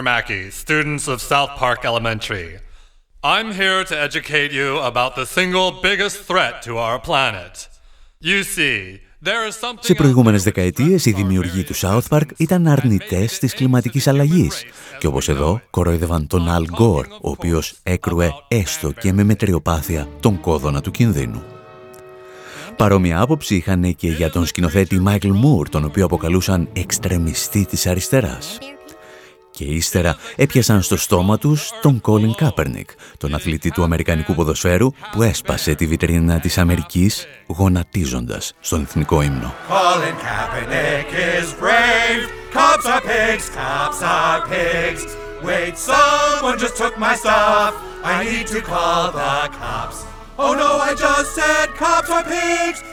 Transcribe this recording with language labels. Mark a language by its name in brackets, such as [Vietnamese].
[English] Mackey, students of South Park Elementary. I'm here to educate you about the single biggest threat to our planet. You see, [Greek] σε προηγούμενες δεκαετίες, οι δημιουργοί του South Park ήταν αρνητές της κλιματικής αλλαγής και όπως εδώ κοροϊδεύαν τον Al Gore, ο οποίος έκρουε έστω και με μετριοπάθεια τον κόδωνα του κινδύνου. Παρόμοια άποψη είχαν και για τον σκηνοθέτη Michael Moore, τον οποίο αποκαλούσαν εξτρεμιστή της αριστεράς. Και ύστερα έπιασαν στο στόμα τους τον Colin Kaepernick, τον αθλητή του Αμερικανικού ποδοσφαίρου που έσπασε τη βιτρίνα της Αμερικής γονατίζοντας στον εθνικό ύμνο. [English] Colin Kaepernick is brave. Cops are pigs, cops are pigs. Wait, someone just took my stuff. I need to call the cops. Oh no, I just said cops are pigs.